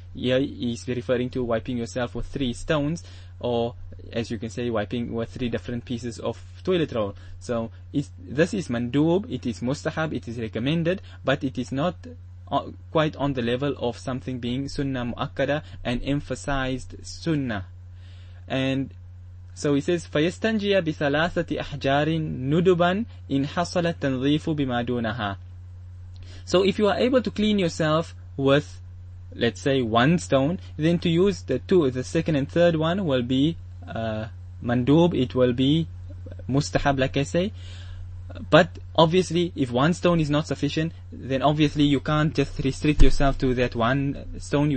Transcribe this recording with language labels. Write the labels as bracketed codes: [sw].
[en] Here he's referring to wiping yourself with 3 stones, or as you can say, wiping with 3 different pieces of toilet roll. So this is mandub, it is mustahab, it is recommended, but it is not quite on the level of something being sunnah mu'akkada, an emphasized sunnah. And so he says, [ar] فَيَسْتَنْجِيَ بِثَلَاثَةِ أَحْجَارٍ نُدُبًا إِنْ حَصَلَ التَّنْظِيفُ بِمَا دُونَهَا. [en] So if you are able to clean yourself with, let's say, 1 stone, then to use the 2, the second and third one will be mandub, it will be mustahab, like I say. But obviously, if 1 stone is not sufficient, then obviously you can't just restrict yourself to that 1 stone.